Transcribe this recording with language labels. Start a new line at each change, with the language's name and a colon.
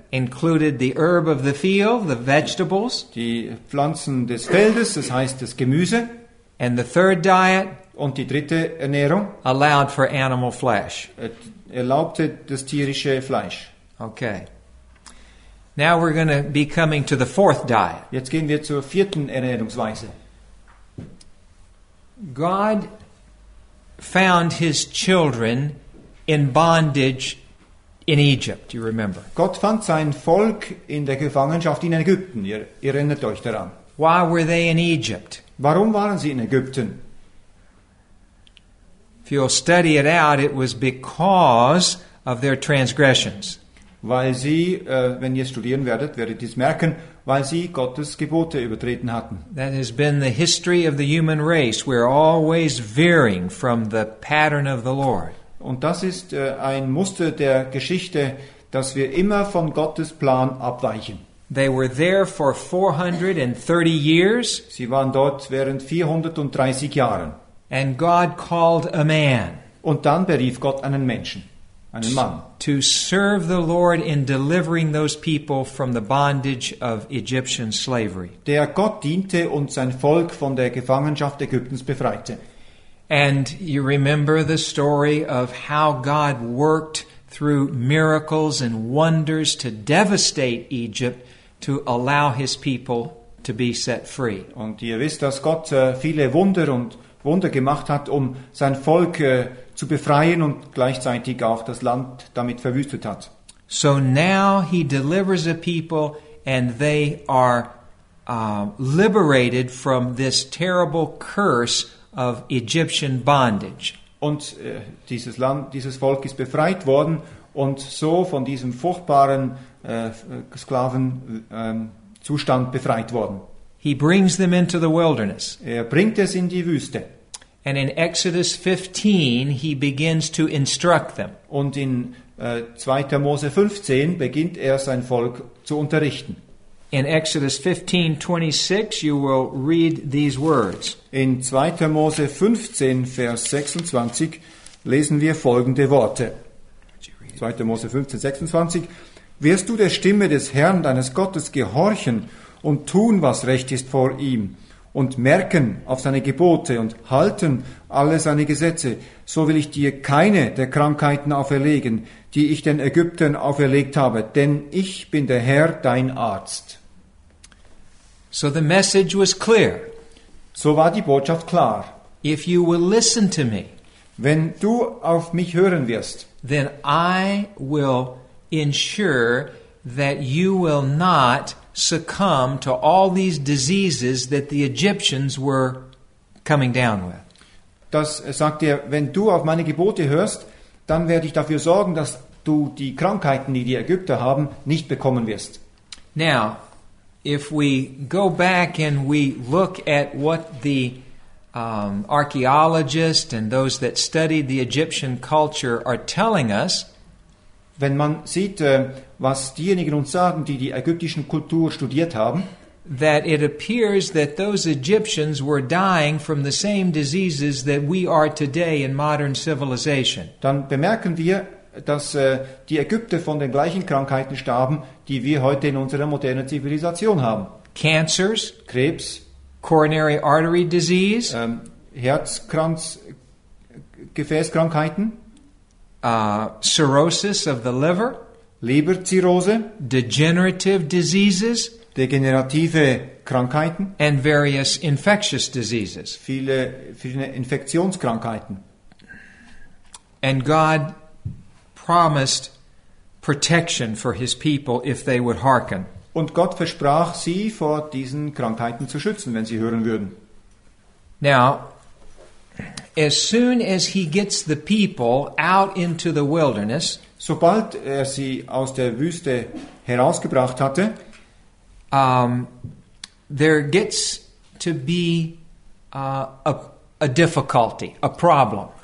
English: included the herb of the field, the vegetables,
German: die Pflanzen des Feldes, das heißt das Gemüse.
English: And the third diet,
German: und die dritte Ernährung,
English: allowed for animal flesh,
German: erlaubte das tierische Fleisch.
English: Okay. Now we're going to be coming to the fourth diet.
German: Jetzt gehen wir zur vierten Ernährungsweise.
English: God found his children in bondage in Egypt, you remember.
German: Gott fand sein Volk in der Gefangenschaft in Ägypten, ihr erinnert euch daran.
English: Why were they in Egypt?
German: Warum waren sie in Ägypten?
English: If you'll study it out, it was because of their transgressions.
German: Weil sie, wenn ihr studieren werdet, werdet ihr es merken, weil sie Gottes Gebote übertreten hatten.
English: That has been the history of the human race. We're always veering from the pattern of the Lord.
German: Und das ist ein Muster der Geschichte, dass wir immer von Gottes Plan abweichen.
English: They were there for 430 years.
German: Sie waren dort während 430 Jahren.
English: And God called a man.
German: Und dann berief Gott einen Menschen.
English: To serve the Lord in delivering those people from the bondage of Egyptian slavery.
German: Der Gott diente und sein Volk von der Gefangenschaft Ägyptens befreite.
English: And you remember the story of how God worked through miracles and wonders to devastate Egypt to allow his people to be set free.
German: Und ihr wisst, dass Gott viele Wunder und Wunder gemacht hat, um sein Volk zu befreien und gleichzeitig auch das Land damit verwüstet hat.
English: So now he delivers a people and they are liberated from this terrible curse of Egyptian bondage.
German: Und dieses Land, dieses Volk ist befreit worden und so von diesem furchtbaren Sklavenzustand befreit worden.
English: He brings them into the wilderness.
German: Er bringt es in die Wüste.
English: And in Exodus 15, he begins to instruct them.
German: Und in 2. Mose 15 beginnt er sein Volk zu unterrichten.
English: In Exodus 15:26, you will read these words.
German: In 2. Mose 15, Vers 26, lesen wir folgende Worte. 2. Mose 15, 26. Wirst du der Stimme des Herrn, deines Gottes, gehorchen und tun, was recht ist vor ihm, und merken auf seine Gebote und halten alle seine Gesetze, so will ich dir keine der Krankheiten auferlegen, die ich den Ägyptern auferlegt habe, denn ich bin der Herr, dein Arzt.
English: So the message was clear.
German: So war die Botschaft klar.
English: If you will listen to me,
German: wenn du auf mich hören wirst,
English: then I will ensure that you will not succumb to all these diseases that the Egyptians were coming down with.
German: Das sagt er, wenn du auf meine Gebote hörst, dann werde ich dafür sorgen, dass du die Krankheiten, die die Ägypter haben, nicht bekommen wirst.
English: Now, if we go back and we look at what the archaeologists and those that studied the Egyptian culture are telling us,
German: wenn man sieht, was diejenigen uns sagen, die die ägyptischen Kultur studiert haben,
English: that it appears that those Egyptians were dying from the same diseases that we are today in modern civilization.
German: Dann bemerken wir, dass die Ägypter von den gleichen Krankheiten starben, die wir heute in unserer modernen Zivilisation haben.
English: Cancers,
German: Krebs,
English: coronary artery disease,
German: Herzkranz-Gefäßkrankheiten,
English: cirrhosis of the liver,
German: Leberzirrhose,
English: degenerative diseases,
German: degenerative Krankheiten,
English: and various infectious diseases,
German: viele Infektionskrankheiten.
English: And God promised protection for his people if they would hearken.
German: Und Gott versprach sie vor diesen Krankheiten zu schützen, wenn sie hören würden.
English: Now, as soon as he gets the people out into the wilderness,
German: sobald er sie aus der Wüste herausgebracht hatte,
English: there gets to be a difficulty, a problem.